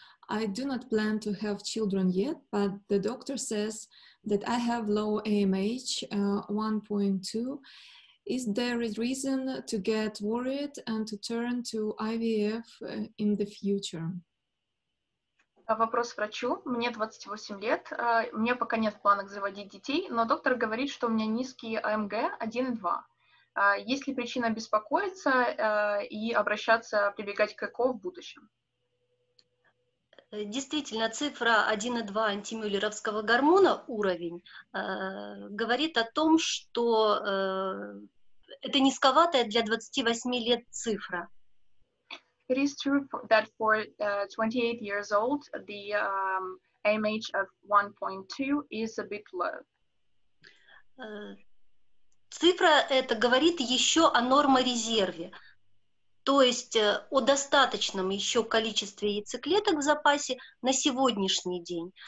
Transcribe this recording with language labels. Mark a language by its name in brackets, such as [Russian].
[English] I do not plan to have children yet, but the doctor says that I have low AMH, 1.2. Is there a reason to get worried and to turn to IVF in the future? [Russian] Вопрос врачу. Мне 28 лет. У меня пока нет планов заводить детей, но доктор говорит, что у меня низкие АМГ 1.2. Есть ли причина беспокоиться и обращаться, прибегать к ЭКО в будущем? Действительно, цифра 1,2 антимюллеровского гормона, уровень, говорит о том, что это низковатая для 28 лет цифра. [English] It is true that for 28 years old, the AMH of 1.2 is a bit low. [Russian] Цифра эта говорит еще о норморезерве, то есть о достаточном еще количестве яйцеклеток в запасе на сегодняшний день.